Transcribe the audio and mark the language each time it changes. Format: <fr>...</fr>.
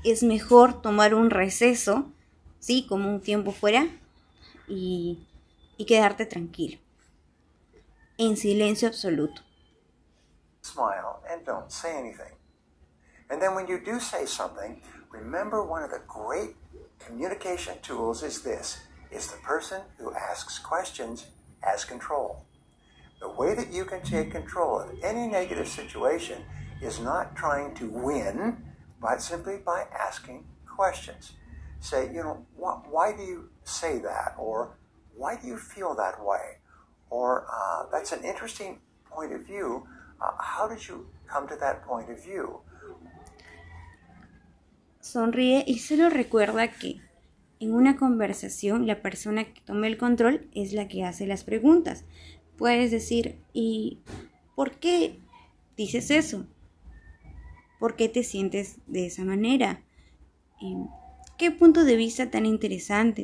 <es>Es mejor tomar un receso, ¿sí? Como un tiempo fuera y quedarte tranquilo, en silencio absoluto.</es> <en>Smile and don't say anything. And then when you do say something, remember one of the great communication tools is this, is the person who asks questions has control. The way that you can take control of any negative situation is not trying to win, but simply by asking questions. Say, you know, why do you say that? Or why do you feel that way? Or that's an interesting point of view. How did you come to that point of view?</en> <es>Sonríe y solo recuerda que en una conversación la persona que toma el control es la que hace las preguntas. Puedes decir, ¿y por qué dices eso? ¿Por qué te sientes de esa manera? ¿Qué punto de vista tan interesante?</es>